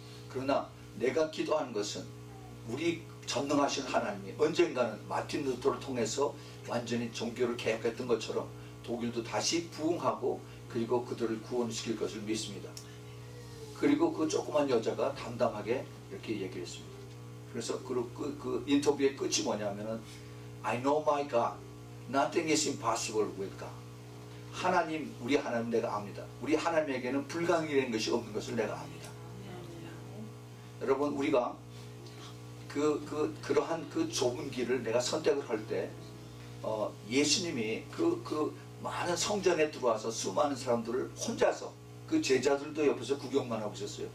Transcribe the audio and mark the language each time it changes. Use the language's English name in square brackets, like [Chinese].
[Korean] 그러나 내가 기도하는 것은 우리 전능하신 하나님이 언젠가는 마틴 루터를 통해서 완전히 종교를 개혁했던 것처럼 독일도 다시 부흥하고 그리고 그들을 구원시킬 것을 믿습니다. 그리고 그 조그만 여자가 담담하게 이렇게 얘기를 했습니다. 그래서 그 인터뷰의 끝이 뭐냐면은 [English] I know my God. Nothing is impossible with God. [Korean] 하나님, 우리 하나님 내가 압니다. 우리 하나님에게는 불가능이라는 것이 없는 것을 내가 압니다. 여러분, 우리가 그러한 그 좁은 길을 내가 선택을 할 때, 예수님이 그 많은 성전에 들어와서 수많은 사람들을 혼자서 그 제자들도 옆에서 구경만 하고 있었어요.